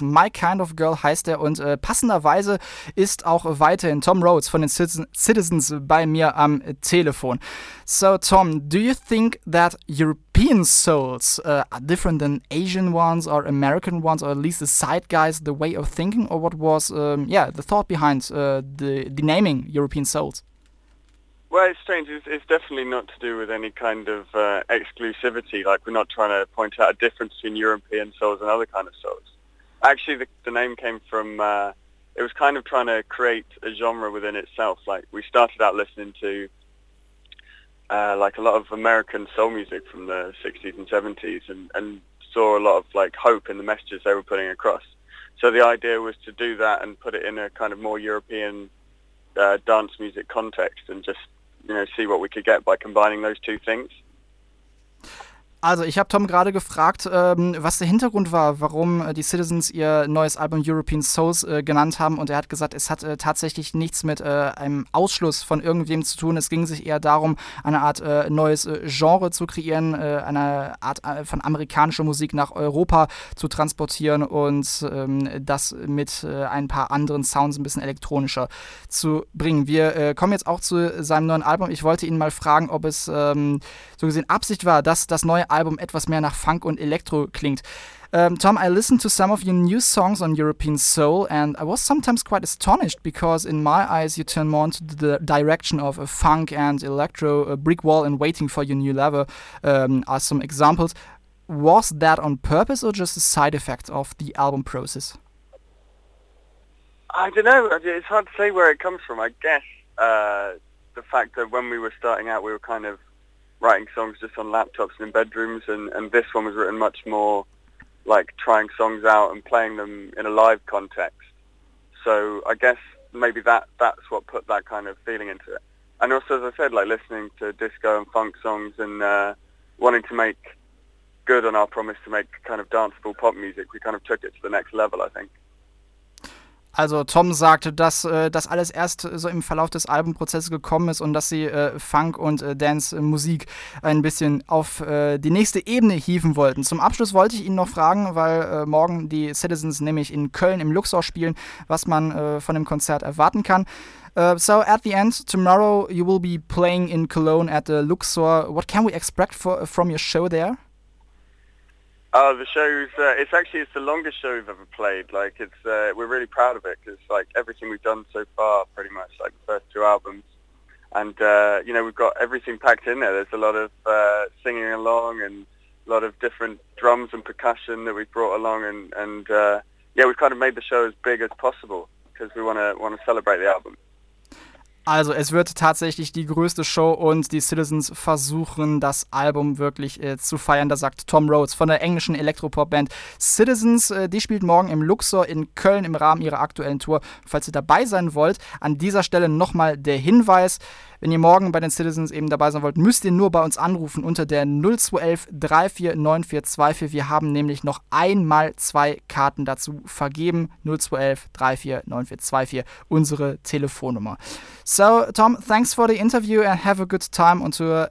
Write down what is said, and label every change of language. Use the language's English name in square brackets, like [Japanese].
[German] My Kind of Girl heißt er und passenderweise ist auch weiterhin Tom Rhodes von den Citizens bei mir am Telefon. [English] So Tom, do you think that European souls are different than Asian ones or American ones, or at least the zeitgeist, the way of thinking, or what was the thought behind the naming European souls? Well, it's strange. It's definitely not to do with any kind of exclusivity. Like, we're not trying to point out a difference between European souls and other kind of souls. Actually, the name came from, it was kind of trying to create a genre within itself. Like, we started out listening to, like, a lot of American soul music from the 60s and 70s and saw a lot of, like, hope in the messages they were putting across. So the idea was to do that and put it in a kind of more European dance music context and just, you know, see what we could get by combining those two things. [German] Also, ich habe Tom gerade gefragt, was der Hintergrund war, warum die Citizens ihr neues Album European Souls genannt haben, und er hat gesagt, es hat tatsächlich nichts mit einem Ausschluss von irgendwem zu tun. Es ging sich eher darum, eine Art neues Genre zu kreieren, eine Art von amerikanischer Musik nach Europa zu transportieren und das mit ein paar anderen Sounds ein bisschen elektronischer zu bringen. Wir kommen jetzt auch zu seinem neuen Album. Ich wollte ihn mal fragen, ob es so gesehen Absicht war, dass das neue Album etwas mehr nach Funk und Elektro klingt. [English] Tom, I listened to some of your new songs on European Soul and I was sometimes quite astonished because in my eyes you turn more into the direction of Funk and Electro. Brick Wall and Waiting for Your New Lover are some examples. Was that on purpose or just a side effect of the album process? I don't know. It's hard to say where it comes from. I guess the fact that when we were starting out we were kind of writing songs just on laptops and in bedrooms, and this one was written much more like trying songs out and playing them in a live context. So I guess maybe that's what put that kind of feeling into it. And also, as I said, like listening to disco and funk songs and wanting to make good on our promise to make kind of danceable pop music, we kind of took it to the next level, I think. [German] Also Tom sagte, dass das alles erst so im Verlauf des Albumprozesses gekommen ist und dass sie Funk- und Dance-Musik ein bisschen auf die nächste Ebene hieven wollten. Zum Abschluss wollte ich ihn noch fragen, weil morgen die Citizens nämlich in Köln im Luxor spielen, was man von dem Konzert erwarten kann. [English] So at the end, tomorrow you will be playing in Cologne at the Luxor. What can we expect from your show there? The show's, it's the longest show we've ever played. Like, it's, we're really proud of it because, like, everything we've done so far, pretty much, like, the first two albums. And, you know, we've got everything packed in there. There's a lot of singing along and a lot of different drums and percussion that we've brought along. And we've kind of made the show as big as possible because we want to celebrate the album. [German] Also es wird tatsächlich die größte Show und die Citizens versuchen, das Album wirklich zu feiern. Da sagt Tom Rhodes von der englischen Elektropop-Band Citizens. Die spielt morgen im Luxor in Köln im Rahmen ihrer aktuellen Tour. Falls ihr dabei sein wollt, an dieser Stelle nochmal der Hinweis. Wenn ihr morgen bei den Citizens eben dabei sein wollt, müsst ihr nur bei uns anrufen unter der 0211-34942. Wir haben nämlich noch einmal zwei Karten dazu vergeben. 0211-34942, unsere Telefonnummer. [English] So, Tom, thanks for the interview and have a good time on tour.